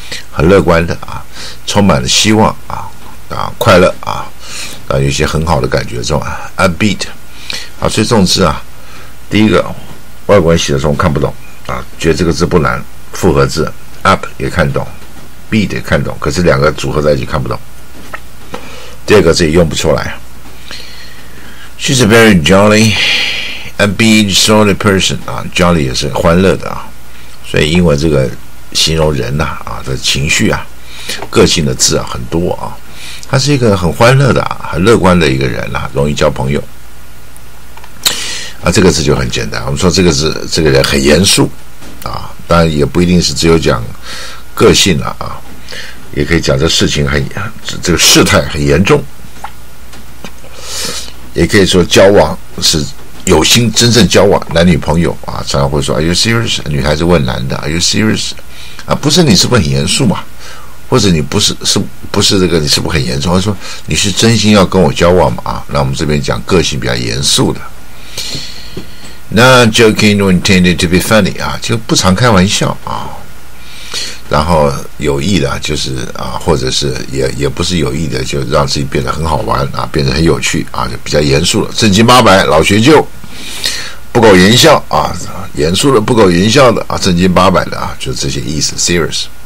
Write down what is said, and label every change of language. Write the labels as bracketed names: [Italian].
[Chinese] 很乐观的啊，充满了希望啊，快乐啊，有些很好的感觉，这种 upbeat 啊，所以这种字啊，第一个外国人写的时候看不懂啊，觉得这个字不难，复合字 up 也看懂 ，beat 也看懂，可是两个组合在一起看不懂。第二个字也用不出来。 [English] She's a very jolly, upbeat sort of person 啊 ，jolly [Chinese] 也是欢乐的啊，所以英文这个。形容人呐 的情绪啊，个性的字啊很多啊，他是一个很欢乐的、很乐观的一个人啊，容易交朋友。这个字就很简单，我们说这个字，这个人很严肃啊，当然也不一定是只有讲个性了 也可以讲这事情很，这个事态很严重，也可以说交往是。有心真正交往男女朋友啊，常常会说 [English] Are you serious? [Chinese] 女孩子问男的 [English] Are you serious? [Chinese] 啊，不是你是不是很严肃嘛？或者你不是是不是这个你是不是很严重？或者说你是真心要跟我交往嘛？啊，那我们这边讲个性比较严肃的。 [English] Not joking or intended to be funny 啊， [Chinese] 就不常开玩笑啊。然后有意的，就是啊，或者是也不是有意的，就让自己变得很好玩啊，变得很有趣啊，就比较严肃了，正经八百，老学究，不苟言笑啊，严肃的不苟言笑的啊，正经八百的啊，就这些意思 ，serious。